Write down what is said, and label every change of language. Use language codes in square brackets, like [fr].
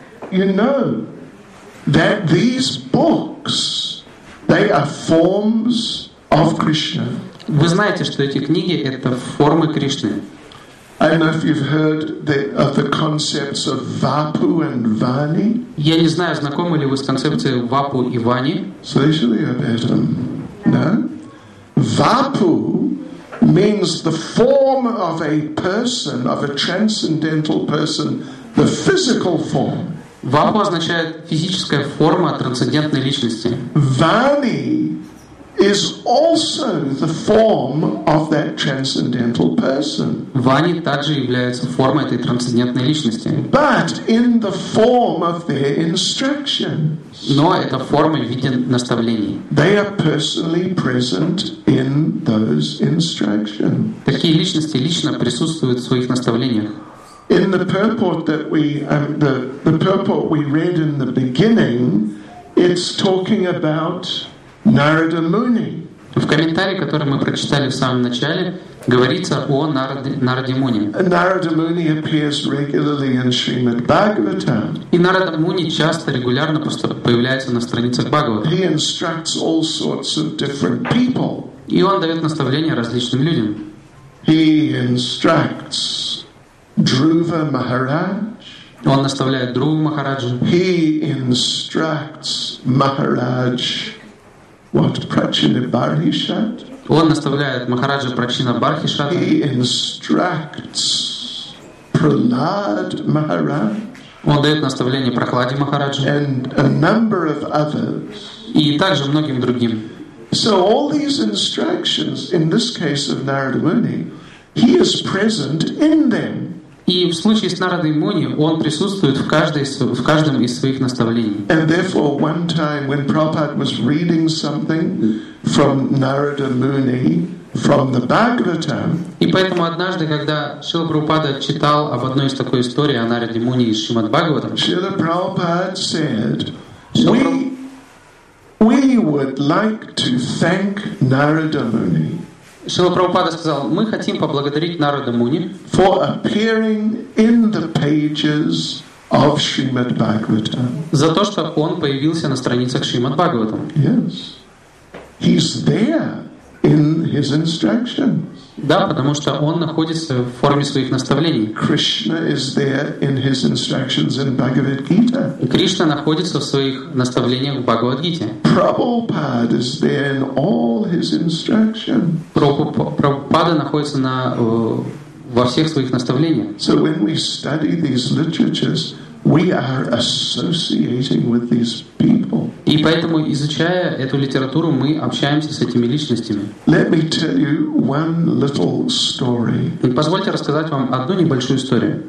[en] you know that these books, they are forms of Krishna. [ru] Вы знаете, что эти книги — это формы Кришны. [en] I don't know if you've heard of the concepts of Vapu and Vani. [ru] Я не знаю, знакомы ли вы с концепцией Вапу и Вани. Слышали об этом? [en] No? Vapu means the form of a person, of a transcendental person, the physical form. [ru] Вапу означает физическая форма трансцендентной личности. [en] Vani is also the form of that transcendental person. [ru] Вани также является формой этой трансцендентной личности. [en] But in the form of their instructions. [ru] Но это форма в виде наставлений. [en] They are personally present in those instructions. [ru] Такие личности лично присутствуют в своих наставлениях. [en] In the purport that we the purport we read in the beginning, it's talking about Narada Muni. [ru] В комментарии, который мы прочитали в самом начале, говорится о Нараде Муни. [en] Narada Muni appears regularly in Srimad Bhagavatam. [ru] И Нарада Муни часто регулярно просто появляется на страницах Бхагаватам. [en] He instructs all sorts of different people. [ru] И он дает наставления различным людям. [en] He instructs Dhruva Maharaj. [ru] Он наставляет Друву Махараджу. [en] He instructs Maharaj what Prachinabharishat. [ru] Он наставляет Махараджа Прачинабхаришат. [en] He instructs Prahlad Maharaj. [ru] Он дает наставление Прохладе Махараджи. [en] And a number of others. [ru] И также многим другим. [en] So all these instructions, in this case of Narada Muni, he is present in them. [ru] И в случае с Нарадой Муни он присутствует в каждом из своих наставлений. [en] And therefore, one time when Prabhupada was reading something from Narada Muni from the Bhagavatam. [ru] И поэтому однажды, когда Шрила Прабхупада читал об одной из такой истории о Нараде Муни из Шримад Бхагаватам, [en] Шрила Прабхупада said, we would like to thank Narada Muni. [ru] Шрила Прабхупада сказал, мы хотим поблагодарить Нарада Муни [en] for appearing in the pages of Shrimad Bhagavatam. [ru] За то, что он появился на страницах Шримад Бхагаватам. [en] Yes. He's there in his instructions. [ru] Да, потому что он находится в форме своих наставлений. [en] Krishna is there in his instructions in Bhagavad Gita. [ru] Кришна находится в своих наставлениях в Бхагавад-гите. [en] Prabhupada is there in all his instructions. [ru] Прабхупада находится во всех своих наставлениях. [en] So when we study these literatures, we are associating with these people. [ru] И поэтому, изучая эту литературу, мы общаемся с этими личностями. [en] Let me tell you one little story. [ru] Позвольте рассказать вам одну небольшую историю.